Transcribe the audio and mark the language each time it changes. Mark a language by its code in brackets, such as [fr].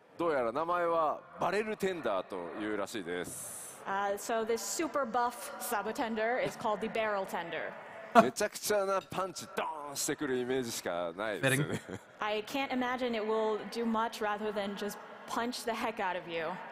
[ja] どうやら名前はバレルテンダーというらしいです。 [en] So this super buff Sabotender is called the Barrel Tender. [ja] めちゃくちゃなパンチドーンしてくるイメージしかないですよね。 [en] I can't imagine it will do much rather than just punch the heck out of you.